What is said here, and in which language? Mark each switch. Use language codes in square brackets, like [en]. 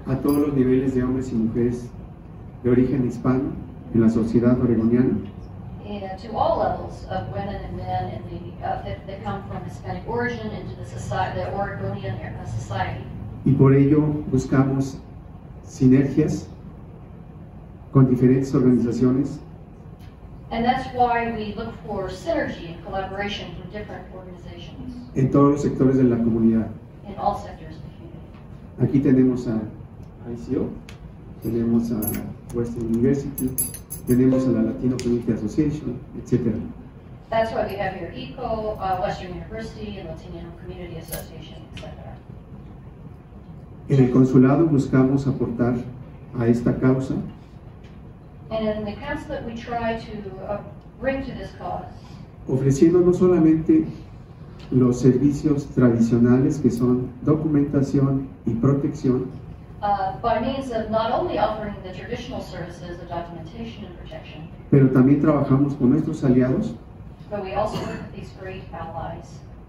[es] a todos los niveles de hombres y mujeres de origen hispano en la sociedad oregoniana. [en] To all levels of women and men and that come from Hispanic origin into the society, the Oregonian society. [es] Y por ello buscamos sinergias con diferentes organizaciones. [en] And that's why we look for synergy and collaboration from different organizations. [es] En todos los sectores de la comunidad. [en] In all sectors of the community. [es] Aquí tenemos a ICO, tenemos a Western University, tenemos a la Latino Community Association, etc. [en] That's why we have here ICO, Western University, and Latino Community Association, etc. [es] En el consulado buscamos aportar a esta causa. [en] And in the consulate, we try to bring to this cause. [es] Ofreciendo no solamente los servicios tradicionales que son documentación y protección. [en] By means of not only offering the traditional services of documentation and protection. [es] Pero también trabajamos con nuestros aliados. [en] But we also work with these great allies.